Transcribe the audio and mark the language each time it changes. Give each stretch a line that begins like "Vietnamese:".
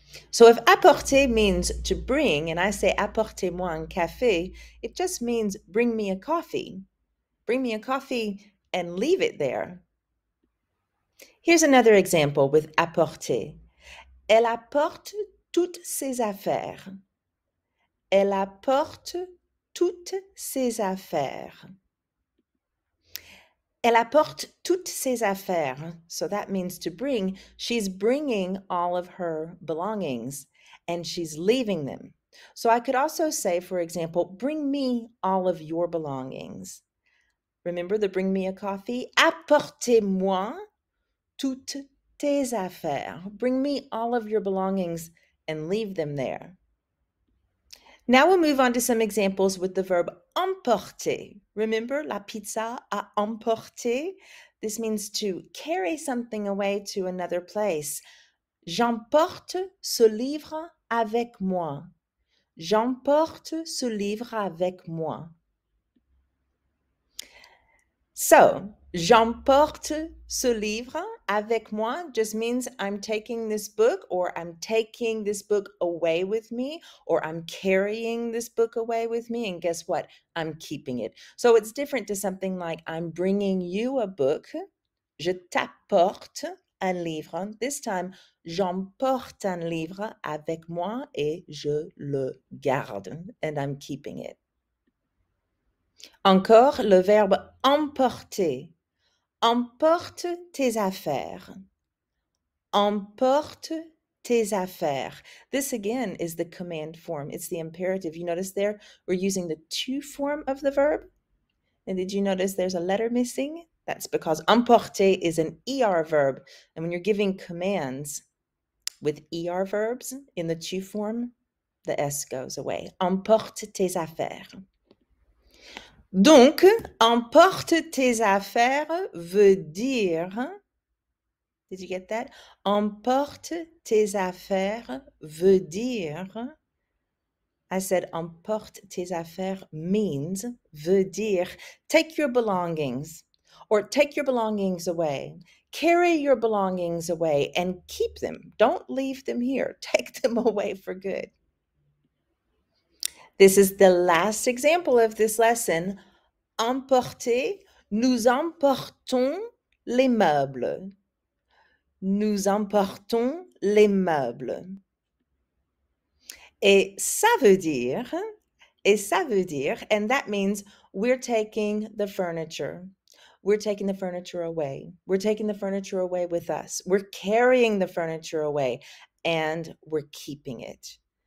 English: So if apporter means to bring, and I say
French: apportez-moi un café,
English: it just means bring me a coffee. Bring me a coffee and leave it there. Here's another example with apporter.
French: Elle apporte toutes ses affaires. Elle apporte toutes ses affaires. Elle apporte toutes ses affaires.
English: So that means to bring. She's bringing all of her belongings and she's leaving them. So I could also say, for example, bring me all of your belongings. Remember the bring me a coffee?
French: Apportez-moi toutes tes affaires.
English: Bring me all of your belongings and leave them there. Now we'll move on to some examples with the verb emporter. Remember,
French: la pizza à emporter?
English: This means to carry something away to another place.
French: J'emporte ce livre avec moi. J'emporte ce livre avec moi.
English: So,
French: j'emporte ce livre avec moi
English: just means I'm taking this book, or I'm taking this book away with me, or I'm carrying this book away with me, and guess what? I'm keeping it. So it's different to something like I'm bringing you a book.
French: Je t'apporte un livre.
English: This time,
French: j'emporte un livre avec moi et je le garde,
English: and I'm keeping it.
French: Encore, le verbe emporter. Emporte tes affaires. Emporte tes affaires.
English: This again is the command form. It's the imperative. You notice there we're using the to form of the verb. And did you notice there's a letter missing? That's because emporter is an ER verb. And when you're giving commands with ER verbs in the to form, the S goes away.
French: Emporte tes affaires. Donc, emporte tes affaires veut dire,
English: did you get that?
French: Emporte tes affaires veut dire,
English: I said
French: emporte tes affaires
English: means,
French: veut dire,
English: take your belongings or take your belongings away. Carry your belongings away and keep them. Don't leave them here. Take them away for good. This is the last example of this lesson.
French: Emporter, nous emportons les meubles. Nous emportons les meubles. Et ça veut dire,
English: and that means we're taking the furniture. We're taking the furniture away. We're taking the furniture away with us. We're carrying the furniture away and we're keeping it.